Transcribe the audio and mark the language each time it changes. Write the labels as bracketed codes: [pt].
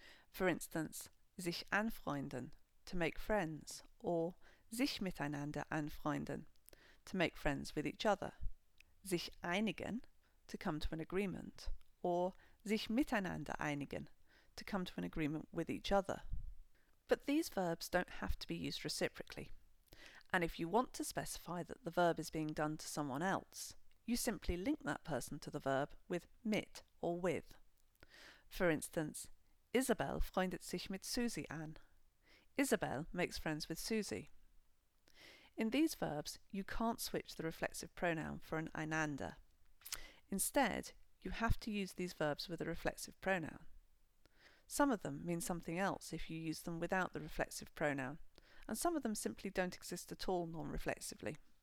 [en] For instance, [de] sich anfreunden, [en] to make friends, or [de] sich miteinander anfreunden, [en] to make friends with each other, [de] sich einigen, [en] to come to an agreement, or [de] sich miteinander einigen, [en] to come to an agreement with each other. But these verbs don't have to be used reciprocally. And if you want to specify that the verb is being done to someone else, you simply link that person to the verb with mit or with. For instance, [de] Isabel freundet sich mit Susie an. [en] Isabel makes friends with Susie. In these verbs, you can't switch the reflexive pronoun for an einander. Instead, you have to use these verbs with a reflexive pronoun. Some of them mean something else if you use them without the reflexive pronoun, and some of them simply don't exist at all non-reflexively.